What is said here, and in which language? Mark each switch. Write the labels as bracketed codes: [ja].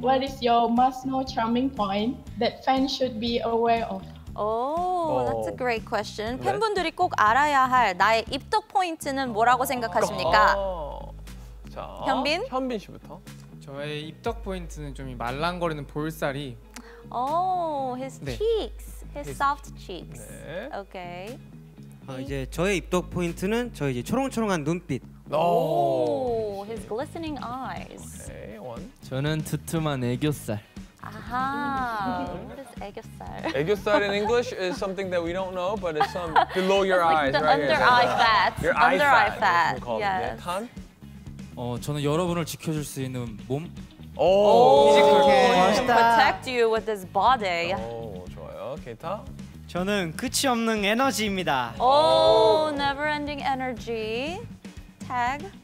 [en] What is your must-know charming point that fans should be aware of? That's a great question. [ko] 팬분들이 꼭 알아야 할 나의 입덕 포인트는 뭐라고 생각하십니까? 자, 현빈? 현빈 씨부터. 저의 입덕 포인트는 좀 이 말랑거리는 볼살이. [en] His cheeks. 네. His soft cheeks. 네. Okay. [ko] 이제 저의 입덕 포인트는 저의 이제 초롱초롱한 눈빛. [en] His glistening eyes. Okay, one. [ko] 저는 두툼한 애교살. [en] What is 애교살? 애교살 in English is something that we don't know, but it's some below your eyes, like the Under eye fat. Under eye fat. Yes. [ko] 칸? 저는 여러분을 지켜줄 수 있는 몸. 오, 멋있다. [en] He can protect you with his body. [ko] 좋아요. 게타? 저는 끝이 없는 에너지입니다. [en] Never-ending energy. Tag?